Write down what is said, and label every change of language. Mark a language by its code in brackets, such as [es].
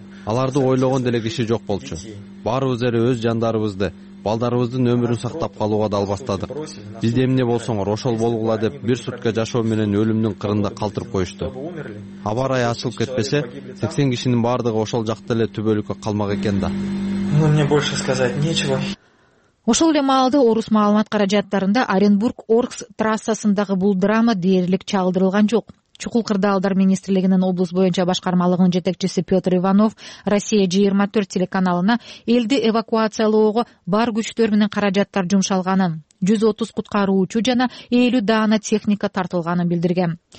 [ky] Аларды ойлогон деле киши жок болчу. Баарыбыз эле өз жандарыбызды, балдарыбыздын өмүрүн сактап калууга дал бастадык. Бизде эмне болсоңор ошол болгула деп бир сутка жашоо менен өлүмдүн кырында калтырып коюшту. Аба ырайы ачылып кетпесе 80 кишинин баардыгы ошол жакта эле түбөлүккө калмак экен да. [ru] Ну мне больше сказать нечего. [ky] Ошол эле маалды орус маалымат каражаттарында Оренбург Оркс трассасындагы бул драма дээрлик чагылдырылган жок. Чукул кырдаалдар министрлигинин облус боюнча башкармалыгынын жетекчиси Петр Иванов Россия-24 телеканалына элди эвакуациялоого бар күчтөр менен каражаттар жумшалганын, 130 куткаруучу жана 50 даана техника тартылганын билдирген.